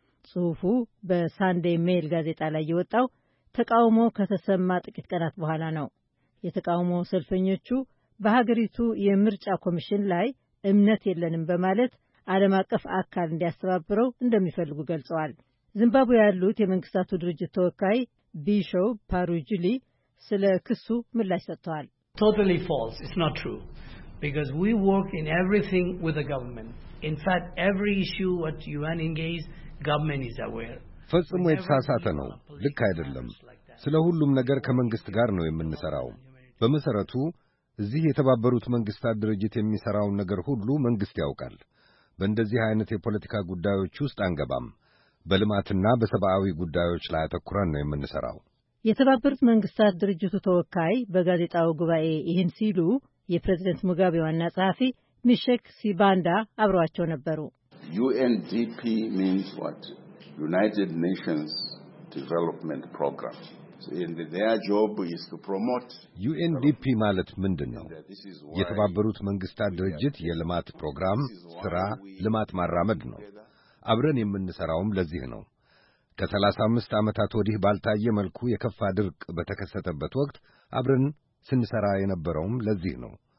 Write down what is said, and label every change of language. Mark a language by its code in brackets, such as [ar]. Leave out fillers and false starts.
[am] ጽሑፉ በሳንዴ ሜይል ጋዜጣ ላይ የወጣው ተቃውሞ ከተሰማ ጥቂት ቀናት በኋላ ነው። የተቃውሞ ሰልፈኞቹ በሀገሪቱ የምርጫ ኮሚሽን ላይ እምነት የለንም በማለት ዓለም አቀፍ አካል እንዲያስተባብረው እንደሚፈልጉ ገልጸዋል። ዚምባብዌ ያሉት የመንግስታቱ ድርጅት ተወካይ ቢሾ ፓሩጁሊ ስለ ክሱ ምላሽ ሰጥተዋል። [en] Totally false. It's not true. Because we work in everything with the government. In fact, every issue what UN engages, government is aware. [am] ፈጽሞ የተሳሳተ ነው። ልክ አይደለም። ስለ ሁሉም ነገር ከመንግስት ጋር ነው የምንሰራው። በመሰረቱ እዚህ የተባበሩት መንግስታት ድርጅት የሚሰራውን ነገር ሁሉ መንግስት ያውቃል። በእንደዚህ አይነት የፖለቲካ ጉዳዮች ውስጥ አንገባም። በልማትና በሰብአዊ ጉዳዮች ላይ አተኩረን ነው የምንሰራው። የተባበሩት መንግስታት ድርጅቱ ተወካይ በጋዜጣው ጉባኤ ይህን ሲሉ የፕሬዝደንት ሙጋቤ ዋና ጸሐፊ ሚሼክ ሲባንዳ አብረዋቸው ነበሩ። [en] UNDP means what? United Nations Development Program. So in their job is to promote [am] UNDP ማለት ምንድነው? የተባበሩት መንግስታት ድርጅት የልማት ፕሮግራም ስራ ልማት ማራመድ ነው። አብረን የምንሰራውም ለዚህ ነው። ከ35 ዓመታት ወዲህ ባልታየ መልኩ የከፋ ድርቅ በተከሰተበት ወቅት አብረን ስንሰራ የነበረውም ለዚህ ነው።